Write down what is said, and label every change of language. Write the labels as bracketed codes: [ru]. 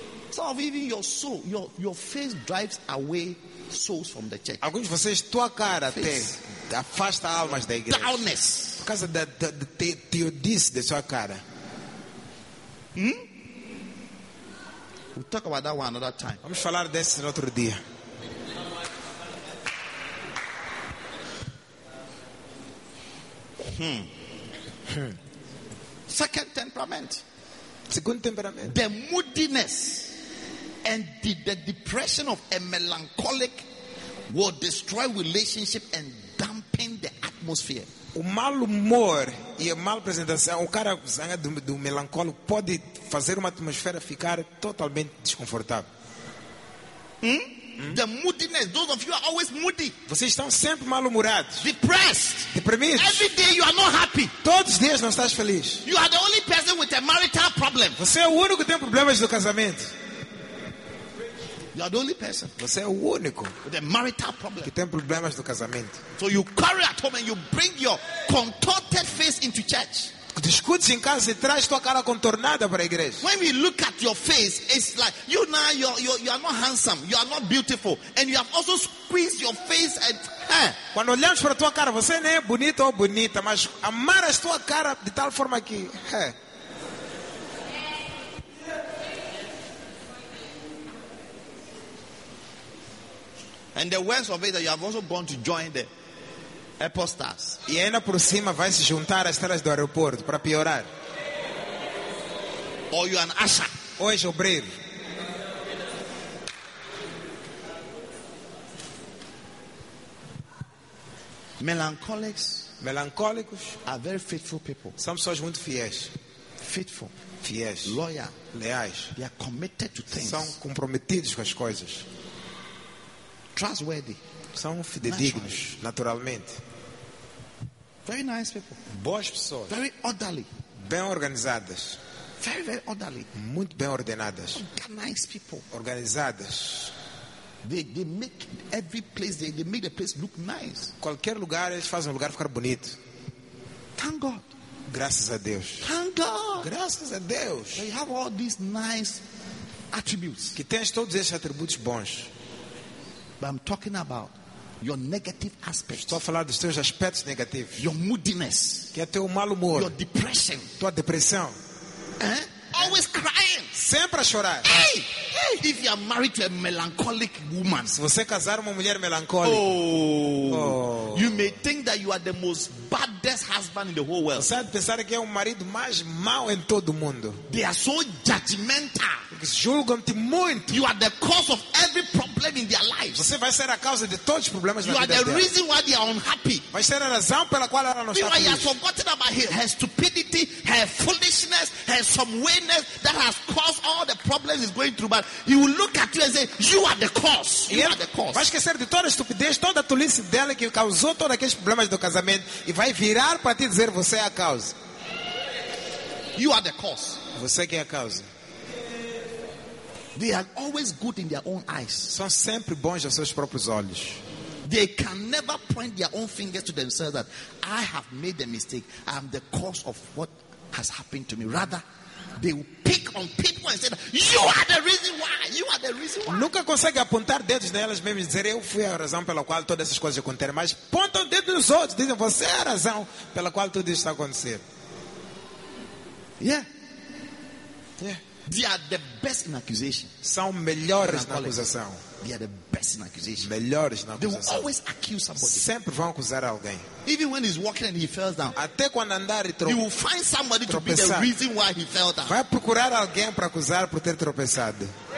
[en] Some of even your soul, your face drives away souls from the church. [pt] Alguns de vocês, tua cara até afasta almas da igreja. [en] Downness. [pt] Por causa da teodice de sua cara. [en] We'll talk about that one another time. [pt] Vamos falar desse no outro dia. [en] Second temperament. [pt] Segundo temperamento. [en] The moodiness and the depression of a melancholic will destroy relationship and dampen the atmosphere. [pt] O mal humor e a mal apresentação, o cara zanga do melancólico pode fazer uma atmosfera ficar totalmente desconfortável. [en] The moodiness, those of you are always moody. [pt] Vocês estão sempre mal-humorados. [en] Depressed. [pt] Deprimidos. [en] Every day you are not happy. [pt] Todos os dias não estás feliz. [en] You are the only person with a marital problem. [pt] Você é o único que tem problemas do casamento. [en] You are the only person. [pt] Você é o único [en] with a marital problem. [pt] Que tem problemas do casamento. [en] So you carry at home and you bring your contorted face into church. [pt] Discutes em casa e traz tua cara contornada para a igreja. [en] When we look at your face, it's like you now you are not handsome, you are not beautiful, and you have also squeezed your face and. [pt] Quando olhamos para tua cara, você não é bonito ou bonita, mas amarras tua cara de tal forma que. [en] And the worst of it that you have also gone to join the apostles. [pt] E ainda por cima vai se juntar às estrelas do aeroporto para piorar. [en] Or you are an usher. [pt] Ou és obreiro. [en] Melancólicos are very faithful people. [pt] São pessoas muito fiéis. [en] Faithful. [pt] Fiéis. [en] Loyal. [pt] Leais. [en] They are committed to things. [pt] São comprometidos com as coisas. [en] Trustworthy. [pt] São fidedignos, naturalmente. [en] Very nice people. [pt] Boas pessoas. [en] Very orderly. [pt] Bem organizadas. [en] Very, very orderly. [pt] Muito bem ordenadas. [en] Organized people. [pt] Organizadas. [en] They make every place, they make the place look nice. [pt] Qualquer lugar, eles fazem o lugar ficar bonito. [en] Thank God. [pt] Graças a Deus. [en] Thank God. [pt] Graças a Deus. [en] They have all these nice attributes. [pt] Que tens todos esses atributos bons. [en] But I'm talking about your negative aspects. [pt] Estou a falar dos teus aspectos negativos. [en] Your moodiness. [pt] Que é teu mal humor. [en] Your depression. [pt] Tua depressão. [en] Eh? Always crying. [pt] Sempre a chorar. [en] Hey! If you are married to a melancholic woman. [pt] Se você casar uma mulher melancólica. Oh. [en] You may think that you are the most baddest husband in the whole world. [pt] Você pensar que é o marido mais mau em todo mundo. [en] They are so judgmental. [pt] Porque julgam-te muito. [en] You are the cause of every problem. problem in their lives. [pt] Você vai ser a causa de todos os problemas na vida deles. [en] You are the reason why they are unhappy. [pt] Vai ser a razão pela qual ela não está feliz. [en] You have forgotten about her stupidity, her foolishness, her some wayness that has caused all the problems he's going through. But he will look at you and say, "You are the cause. You are the cause." [pt] Vai esquecer de toda a estupidez, toda a tolice dela que causou todos aqueles problemas do casamento e vai virar para ti dizer, "Você é a causa." [en] You are the cause. [pt] Você que é a causa. [en] They are always good in their own eyes. [pt] São sempre bons aos seus próprios olhos. [en] They can never point their own fingers to themselves that I have made a mistake. I am the cause of what has happened to me. Rather, they will pick on people and say that you are the reason why. You are the reason why. [pt] Nunca consegue apontar dedos nelas mesmas e dizer eu fui a razão pela qual todas essas coisas aconteceram. Mas apontam dedos nos outros, dizem você é a razão pela qual tudo isso está acontecendo. [en] Yeah. Yeah. They are the best in accusation. [pt] São melhores na acusação. [en] They are the best in accusation. [pt] Melhores na acusação. [en] They will always accuse somebody. [pt] Sempre vão acusar alguém. [en] Even when he's walking and he fell down. [pt] Até quando andar e tropeçar. [en] You will find somebody [pt] tropeçar. [en] To be the reason why he fell down. [pt] Vai procurar alguém para acusar por ter tropeçado.